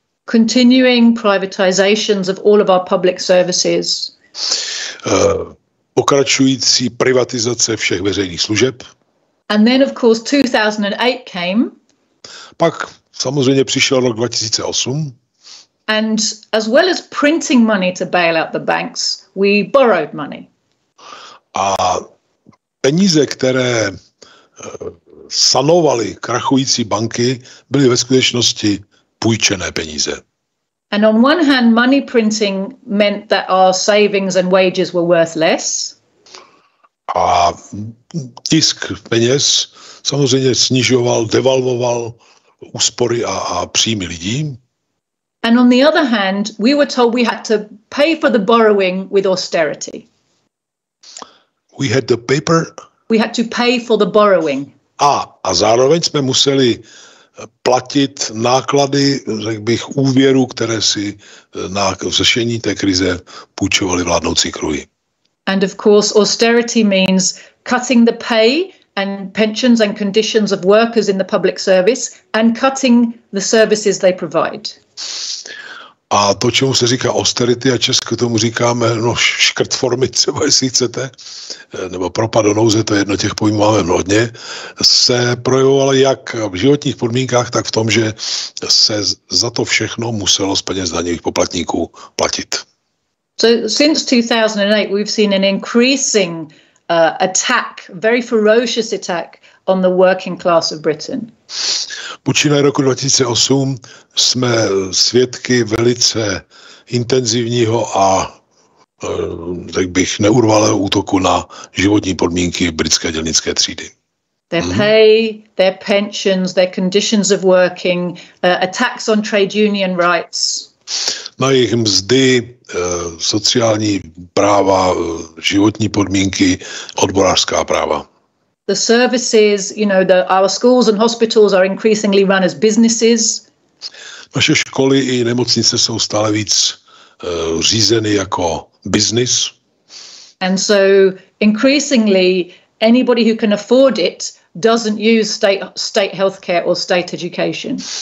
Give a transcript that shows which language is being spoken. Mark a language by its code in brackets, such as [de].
[en] Continuing privatizations of all of our public services. [cs] Pokračující privatizace všech veřejných služeb. [en] And then of course 2008 came. [cs] Pak samozřejmě přišel rok 2008. [en] And as well as printing money to bail out the banks, we borrowed money. [cs] A peníze, které sanovaly krachující banky, byly ve skutečnosti půjčené peníze. [en] And on one hand, money printing meant that our savings and wages were worth less. [cs] A tisk peněz samozřejmě snižoval, devalvoval úspory a příjmy lidí. [en] And on the other hand, we were told we had to pay for the borrowing with austerity. We had the paper. We had to pay for the borrowing. [cs] A zároveň jsme museli platit náklady, řekl bych, úvěru, které si na řešení té krize půjčovali vládnoucí kruhy. [en] And of course, austerity means cutting the pay and pensions and conditions of workers in the public service and cutting the services they provide. [cs] A to, čemu se říká austerity, a česky tomu říkáme, no, škrt formy třeba, jestli chcete, nebo propad do nouze, to je jedno těch pojmů, máme mnohodně, se projevovalo jak v životních podmínkách, tak v tom, že se za to všechno muselo z peněz daňových poplatníků platit. [en] So since 2008 we've seen an increasing attack, very ferocious attack on the working class of Britain. [cs] Počínaje roku 2008 jsme svědky velice intenzivního a tak bych neurvalého útoku na životní podmínky britské dělnické třídy. [en] Their pay, their pensions, their conditions of working, attacks on trade union rights. [cs] Na jejich mzdy, sociální práva, životní podmínky, odborářská práva. [en] The services, you know, the our schools and hospitals are increasingly run as businesses. [cs] Naše školy i nemocnice jsou stále víc řízeny jako business. [en] And so increasingly anybody who can afford it doesn't use state healthcare or state education.